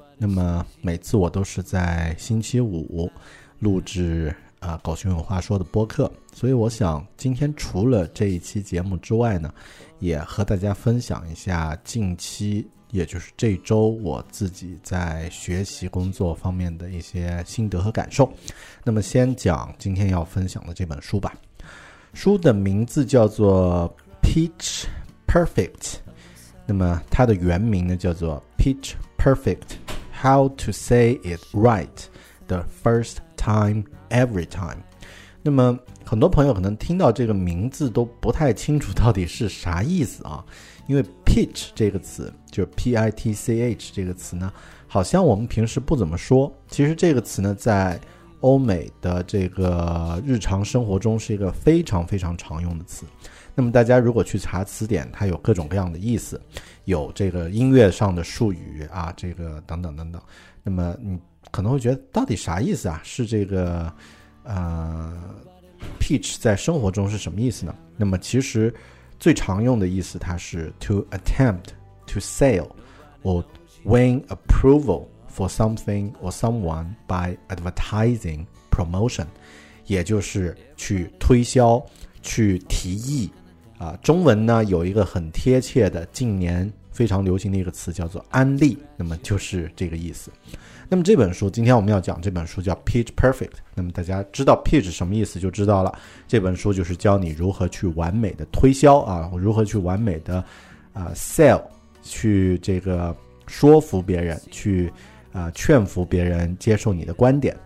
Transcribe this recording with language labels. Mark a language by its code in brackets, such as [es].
[zh] 那么每次我都是在星期五录制啊《狗熊有话说》的播客，所以我想今天除了这一期节目之外呢，也和大家分享一下近期，也就是这周我自己在学习工作方面的一些心得和感受。那么先讲今天要分享的这本书吧。书的名字叫做 Pitch Perfect， 那么它的原名呢叫做 Pitch Perfect How to Say It Right The First Time Every Time。那么很多朋友可能听到这个名字都不太清楚到底是啥意思啊，因为 pitch 这个词，就是 P-I-T-C-H 这个词呢，好像我们平时不怎么说。其实这个词呢，在欧美的这个日常生活中是一个非常非常常用的词。那么大家如果去查词典，它有各种各样的意思，有这个音乐上的术语啊，这个等等等等。那么你可能会觉得到底啥意思啊？是这个pitch 在生活中是什么意思呢？那么其实最常用的意思它是 [en] to attempt to sell or win approval for something or someone by advertising promotion， [zh] 也就是去推销，去提议啊。中文呢有一个很贴切的近年非常流行的一个词叫做安利，那么就是这个意思。那么这本书，今天我们要讲这本书叫 Pitch Perfect。那么大家知道 Pitch 什么意思就知道了，这本书就是教你如何去完美的推销啊，如何去完美的sell， 去这个说服别人，去劝服别人接受你的观点。